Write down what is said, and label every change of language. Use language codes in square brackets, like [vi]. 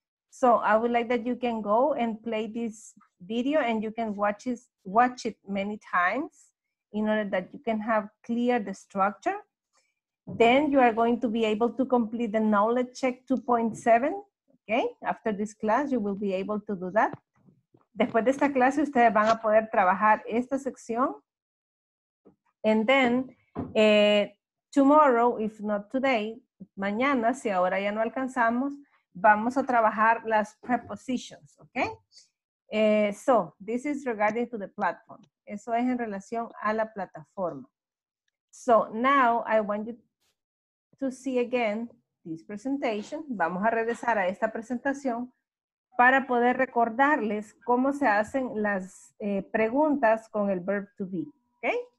[en] So I would like that you can go and play this video and you can watch it many times in order that you can have clear the structure. Then you are going to be able to complete the knowledge check 2.7, okay? After this class, you will be able to do that. [es] Después de esta clase, ustedes van a poder trabajar esta sección. [en] And then tomorrow, if not today, [es] mañana, si ahora ya no alcanzamos, vamos a trabajar las prepositions, okay? [en] So, this is regarding to the platform. [es] Eso es en relación a la plataforma. [en] So, now I want you to see again this presentation. [es] Vamos a regresar a esta presentación para poder recordarles cómo se hacen las preguntas con el verb to be, okay?